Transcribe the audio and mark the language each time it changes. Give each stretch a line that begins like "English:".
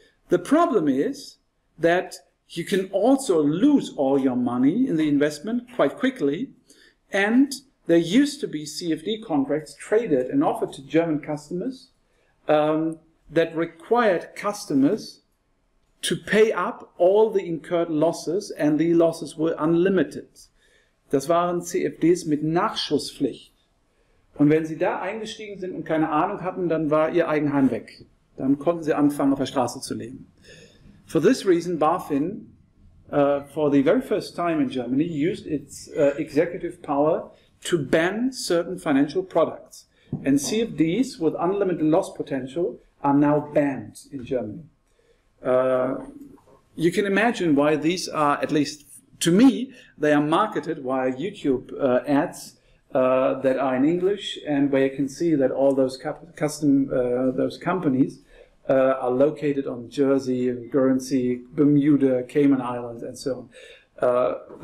English: The problem is that you can also lose all your money in the investment quite quickly, and there used to be CFD contracts traded and offered to German customers that required customers to pay up all the incurred losses, and the losses were unlimited.
German: Das waren CFDs mit Nachschusspflicht. Und wenn Sie da eingestiegen sind und keine Ahnung hatten, dann war Ihr Eigenheim weg. Dann konnten Sie anfangen, auf der Straße zu leben.
English: For this reason, BaFin, for the very first time in Germany, used its executive power to ban certain financial products. And CFDs with unlimited loss potential are now banned in Germany. You can imagine why these are, at least to me, they are marketed via YouTube ads that are in English, and where you can see that all those those companies are located on Jersey, Guernsey, Bermuda, Cayman Islands, and so on.